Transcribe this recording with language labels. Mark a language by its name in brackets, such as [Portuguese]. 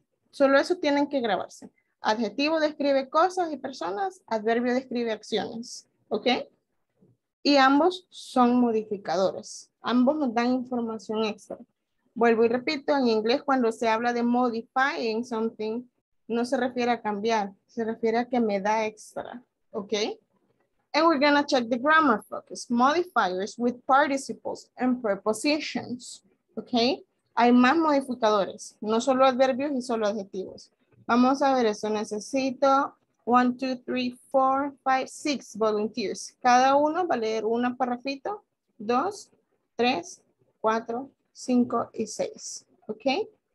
[Spanish] Solo eso tienen que grabarse. Adjetivo describe cosas y personas, adverbio describe acciones, ¿ok? Y ambos son modificadores. Ambos nos dan información extra. Vuelvo y repito, en inglés cuando se habla de [English] modifying something, [Spanish] no se refiere a cambiar, se refiere a que me da extra. ¿Ok? [English] And we're going to check the grammar focus. Modifiers with participles and prepositions. ¿Ok? [Spanish] Hay más modificadores, no solo adverbios y solo adjetivos. Vamos a ver eso. Necesito 1, 2, 3, 4, 5, 6 volunteers. Cada uno va a leer una parrafito. 2, 3, 4, 5 y 6. ¿Ok?